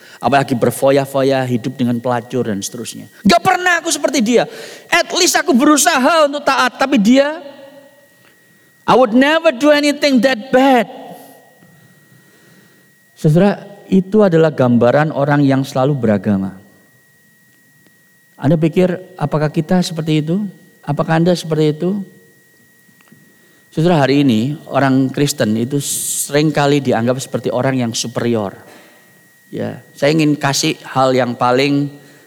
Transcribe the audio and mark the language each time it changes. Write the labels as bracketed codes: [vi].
[id] Apalagi berfoya-foya hidup dengan pelacur dan seterusnya. Gak pernah aku seperti dia. [en] At least [id] aku berusaha untuk taat. Tapi dia, [en] I would never do anything that bad. [id] Saudara, itu adalah gambaran orang yang selalu beragama. Anda pikir apakah kita seperti itu? Apakah Anda seperti itu? Saudara, hari ini orang Kristen itu seringkali dianggap seperti orang yang superior. Ya, saya ingin kasih hal yang paling